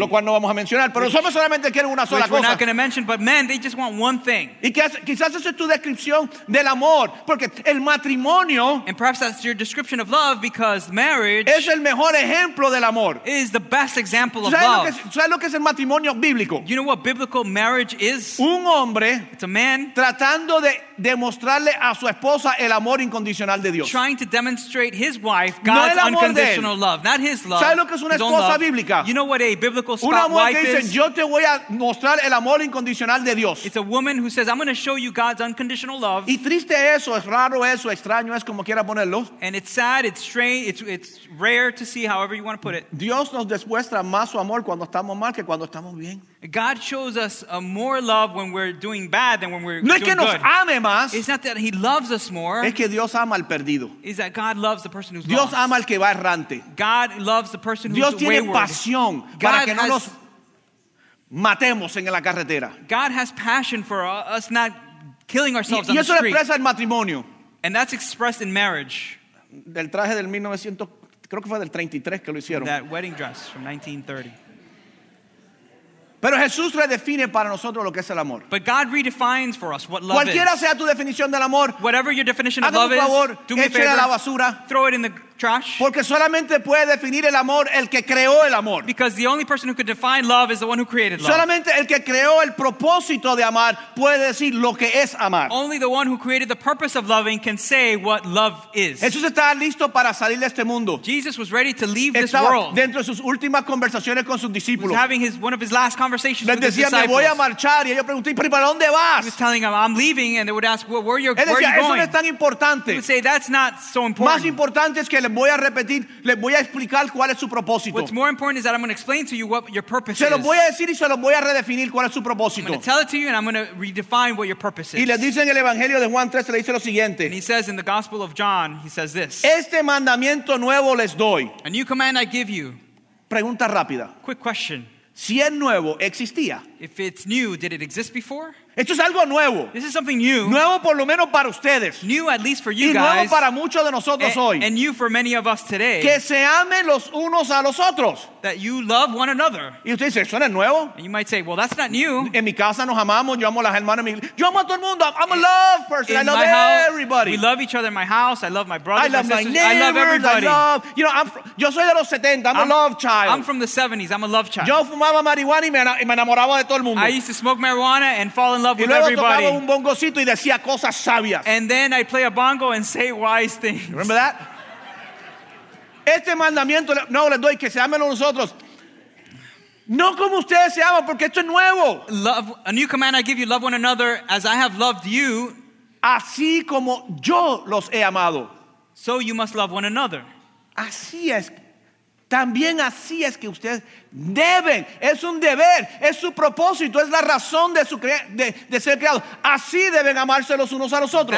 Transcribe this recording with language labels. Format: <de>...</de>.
<es>Lo cual no vamos a mencionar, pero los hombres solamente quieren una sola cosa.</es> <en>Which we're not going to mention, but men, they just want one thing.</en> <es>Y quizás eso es tu descripción del amor, porque el matrimonio.</es> <en>And perhaps that's your description of love, because marriage.</en> <es>Es el mejor ejemplo del amor.</es> <en>Is the best example of</en> <es>¿sabes</es> <en>love.</en> <es>¿Sabes lo que es el matrimonio? Bíblico.</es> <en>You know what biblical marriage is?</en> <es>Un hombre,</es> <en>it's a man</en> <es>tratando de demostrarle a su esposa el amor incondicional de Dios.</es> <en>Trying to demonstrate his wife God's</en> <es>no el amor</es> <en>unconditional</en> <es>de él.</es> <en>Love, not his love.</en> <es>¿Sabes lo que es una esposa bíblica?</es> <en>You know what a biblical spouse</en> <es>una mujer</es> <en>wife</en> <es>que dice,</es> <en>is?</en> <es>Yo te voy a mostrar el amor incondicional de Dios.</es> <en>It's a woman who says I'm going to show you God's unconditional love.</en> <es>Y triste eso, es raro eso, extraño es como quiera ponerlo.</es> <en>And it's sad, it's strange, it's rare to see however you want to put it.</en> <es>Dios nos demuestra más su amor cuando estamos mal que cuando estamos bien.</es> <en>God shows us a more love when we're doing bad than when we're</en> <es>no</es> <en>doing</en> <es>es que</es> <en>good.</en> <es>Más.</es> <en>It's not that he loves us more.</en> <es>Es que Dios ama al perdido.</es> <en>It's that God loves the person who's</en> <es>Dios</es> <en>lost.</en> <es>Dios ama al que va errante.</es> <en>God loves the person</en> <es>Dios</es> <en>who's wayward.</en> <es>Dios tiene pasión para que no nos matemos en la carretera.</es> <en>God has passion for us not killing ourselves</en> <es>y</es> <en>on the street.</en> <es>Y eso expresa el matrimonio.</es> <en>And that's expressed in marriage.</en> <es>Del traje del 1900, creo que fue del 33 que lo hicieron.</es> <en>That wedding dress from 1930.</en> <es>Pero Jesús redefine para nosotros lo que es el amor.</es> <en>But God redefines for us what love</en> <es>cualquiera</es> <en>is.</en> <es>Sea tu definición del amor,</es> <en>whatever your definition of love</en> <es>favor,</es> <en>is, do me a favor,</en> <es>a la basura.</es> <en>Throw it in the trash.</en> <es>Porque solamente puede definir el amor el que creó el amor.</es> <en>Because the only person who could define love is the one who created love.</en> <es>Solamente el que creó el propósito de amar puede decir lo que es amar.</es> <en>Only the one who created the purpose of loving can say what love is.</en> <es>Jesús estaba listo para salir de este mundo.</es> <en>Jesus was ready to leave</en> <es>estaba</es> <en>this world.</en> <es>Dentro de sus últimas conversaciones con sus discípulos.</es> <en>He was having one of his last conversations</en> <es>les</es> <en>with his disciples.</en> <es>Les decía, me voy a marchar. Y ellos preguntan, ¿pero para dónde vas?</es> <en>He was telling them, I'm leaving. And they would ask, well, where are you going?</en> <es>Él decía,</es> <en>going?</en> <es>Eso no es tan importante.</es> <en>He would say, that's not so important.</en> <es>Más importante es que les voy a repetir, les voy a explicar cuál es su propósito.</es> <en>What's more important is that I'm going to explain to you what your purpose is.</en> <es>Se lo voy a decir y se lo voy a redefinir cuál es su propósito.</es> <en>I'm going to tell it to you and I'm going to redefine what your purpose is.</en> <es>Y les dice en el Evangelio de Juan 3, le dice lo siguiente.</es> <en>And he says in the Gospel of John, he says this.</en> <es>Este mandamiento nuevo les doy.</es> <en>A new command I give you.</en> <es>Pregunta rápida.</es> <en>Quick question.</en> <es>Si es nuevo, existía.</es> <en>If it's new, did it exist before?</en> <es>Esto es algo nuevo.</es> <en>This is something new.</en> <es>Nuevo por lo menos para ustedes.</es> <en>New at least for you</en> <es>y</es> <en>guys.</en> <es>Y nuevo para muchos de nosotros hoy.</es> <en>And new for many of us today.</en> <es>Que se amen los unos a los otros.</es> <en>That you love one another.</en> <es>Y usted dice, ¿eso no es nuevo?</es> <en>And you might say, well, that's not new.</en> <es>En mi casa nos amamos. Yo amo a las hermanas. Yo amo a todo el mundo.</es> <en>I'm a love person. I love everybody. We love each other in my house. I love my brothers. I love my neighbors. I love everybody. I love, you know,</en> <es>yo soy de los 70.</es> <en>I'm a love child. I'm from the 70s. I'm a love child.</en> <es>Yo fumaba marihuana y me enamoraba de todo el mundo.</es> <en>I used to smoke marijuana and fall in love</en> <es>y luego</es> <en>with everybody.</en> <es>Tocaba un bongocito y decía cosas sabias.</es> <en>And then I play a bongo and say wise things. Remember that?</en> <es>Este mandamiento, no, les doy que se amen a nosotros. No como ustedes se aman, porque esto es nuevo.</es> <en>Love, a new command I give you, love one another as I have loved you.</en> <es>Así como yo los he amado.</es> <en>So you must love one another.</en> <es>Así es. También así es que ustedes deben, es un deber, es su propósito, es la razón de su de ser creado. Así deben amarse los unos a los otros.</es>